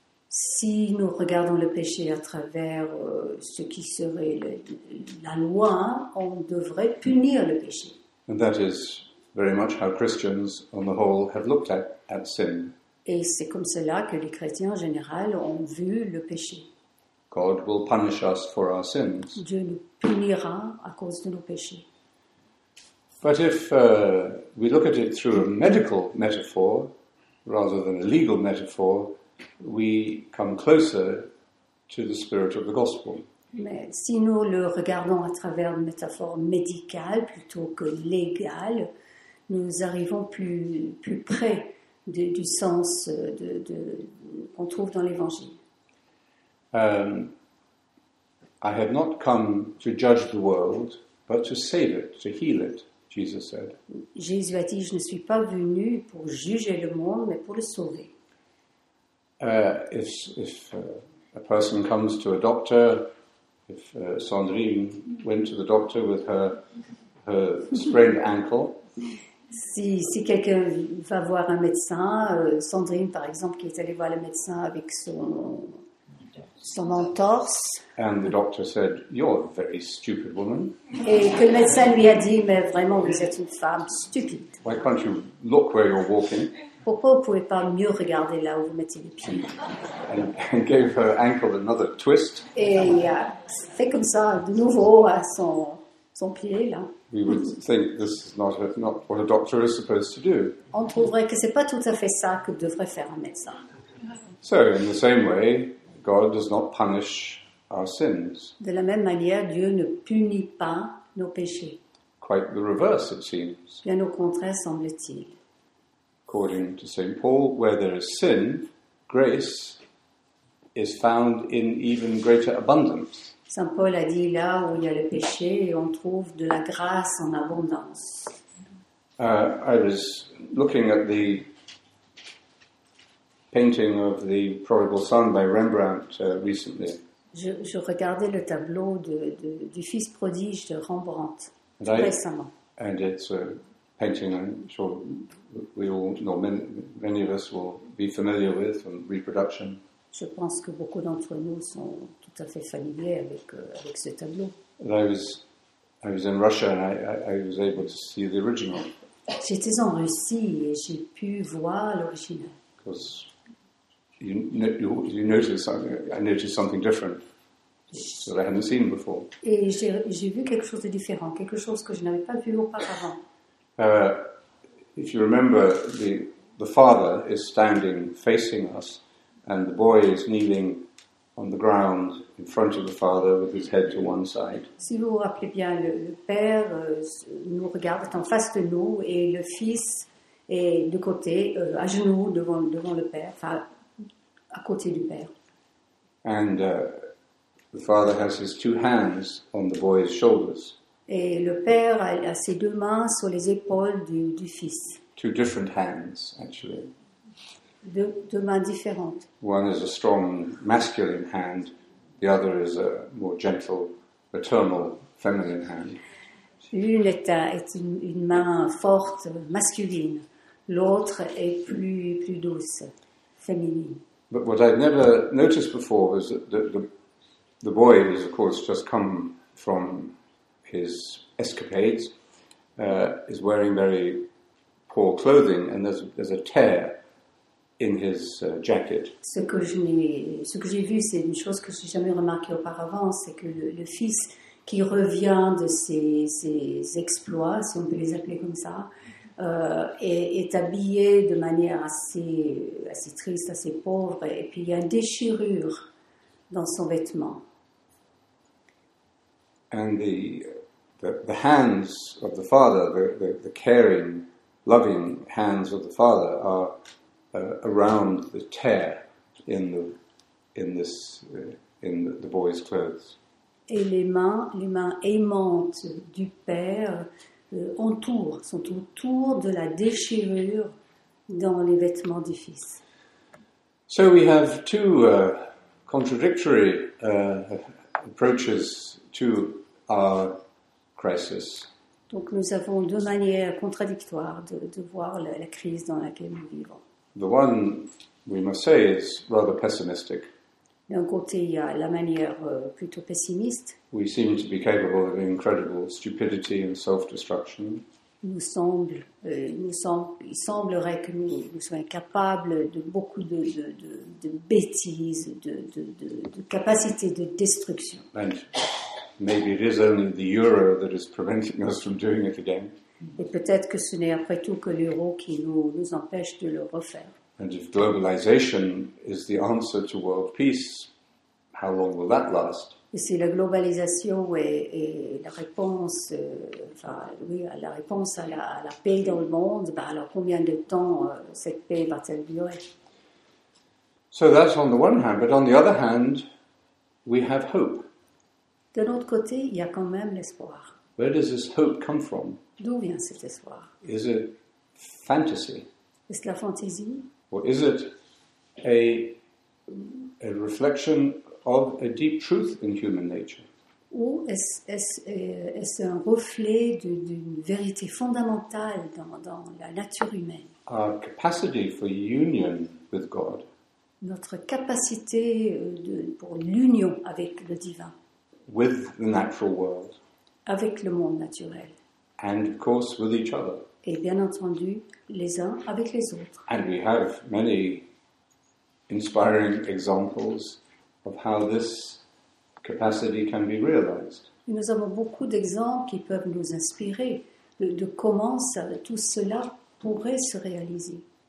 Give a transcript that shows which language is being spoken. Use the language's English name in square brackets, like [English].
[French] Si nous regardons le péché à travers ce qui serait la loi, on devrait punir le péché. [English] And that is very much how Christians, on the whole, have looked at sin. [French] Et c'est comme cela que les chrétiens, en général, ont vu le péché. [English] God will punish us for our sins. [French] Dieu nous punira à cause de nos péchés. [English] But if we look at it through a medical metaphor, rather than a legal metaphor, we come closer to the spirit of the gospel. [French] Mais si nous le regardons à travers une métaphore médicale plutôt que légale, nous arrivons plus près du sens qu'on trouve dans l'Évangile. [English] I have not come to judge the world, but to save it, to heal it, Jesus said. [French] Jésus a dit, je ne suis pas venu pour juger le monde, mais pour le sauver. [English] If a person comes to a doctor, if Sandrine went to the doctor with her sprained ankle. [French] Si quelqu'un va voir un médecin, Sandrine par exemple, qui est allée voir le médecin avec son entorse. [English] And the doctor said, "You're a very stupid woman." [French] Et que le médecin lui a dit, mais vraiment, vous êtes une femme stupide. [English] Why can't you look where you're walking? [French] Pourquoi vous ne pouvez pas mieux regarder là où vous mettez les pieds? [English] And gave her ankle another twist. [French] Et fait comme ça, de nouveau, à son pied là. [English] We would think this is not what a doctor is supposed to do. [French] On trouverait que c'est pas tout à fait ça que devrait faire un médecin. [English] So, in the same way, God does not punish our sins. [French] De la même manière, Dieu ne punit pas nos péchés. [English] Quite the reverse, it seems. [French] Bien au contraire, semble-t-il. [English] According to Saint Paul, where there is sin, grace is found in even greater abundance. [French] Saint Paul a dit là où il y a le péché, on trouve de la grâce en abondance. [English] I was looking at the painting of the prodigal son by Rembrandt recently. [French] Je regardais le tableau du fils prodige de Rembrandt récemment. [English] And it's a painting I'm sure many of us will be familiar with from reproduction. [French] Je pense que beaucoup d'entre nous sont tout à fait familiers avec ce tableau. [English] I was in Russia and I was able to see the original. [French] J'étais en Russie et j'ai pu voir l'original. [English] Because you noticed something, I noticed something different that I hadn't seen before. [French] Et j'ai vu quelque chose de différent, quelque chose que je n'avais pas vu auparavant. [English] If you remember, the father is standing facing us. And the boy is kneeling on the ground in front of the father with his head to one side. [French] Si vous vous rappelez bien, le père nous regarde en face de nous et le fils est de côté, à genoux devant le père, enfin, à côté du père. [English] And the father has his two hands on the boy's shoulders. [French] Et le père a ses deux mains sur les épaules du fils. [English] Two different hands, actually. [French] Deux mains différentes. [English] One is a strong masculine hand, the other is a more gentle, maternal, feminine hand. [French] L'une est une main forte, masculine. L'autre est plus douce, féminine. [English] But what I'd never noticed before was that the boy has, of course, just come from his escapades, is wearing very poor clothing, and there's a tear in his jacket. [French] Ce que j'ai vu, c'est une chose que je n'ai jamais remarqué auparavant, c'est que le fils qui revient de ses exploits, si on peut les appeler comme ça, est habillé de manière assez triste, assez pauvre, et puis il y a une déchirure dans son vêtement. [English] And the hands of the father, the caring, loving hands of the father are around the tear in the boy's clothes. [French] Et les mains aimantes du père sont autour de la déchirure dans les vêtements du fils. [English] So we have two contradictory approaches to our crisis. [French] Donc nous avons deux manières contradictoires de voir la crise dans laquelle nous vivons. [English] The one, we must say, is rather pessimistic. [French] D'un côté, il y a la manière plutôt pessimiste. [English] We seem to be capable of incredible stupidity and self-destruction. [French] il semblerait que nous soyons capables de beaucoup de bêtises, de capacités de destruction. [English] And maybe it is only the euro that is preventing us from doing it again. [French] Et peut-être que ce n'est après tout que l'euro qui nous empêche de le refaire. [English] And if globalization is the answer to world peace, how long will that last? [French] Et si la globalisation est la réponse, la réponse à la paix dans le monde, alors combien de temps cette paix va-t-elle durer? [English] So that's on the one hand, but on the other hand, we have hope. [French] De notre côté, il y a quand même l'espoir. [English] Where does this hope come from? [French] D'où vient cet espoir? [English] Is it fantasy? [French] Est-ce la fantaisie? [English] Or is it a reflection of a deep truth in human nature? [French] Ou est-ce un reflet d'une vérité fondamentale dans la nature humaine? [English] Our capacity for union with God. [French] Notre capacité pour l'union avec le divin. [English] With the natural world. [French] Avec le monde naturel. [English] And of course with each other. [French] Et bien entendu, les uns avec les autres. [English] And we have many inspiring examples of how this capacity can be realized. [French] Nous avons beaucoup d'exemples qui peuvent nous inspirer de comment tout cela pourrait se réaliser.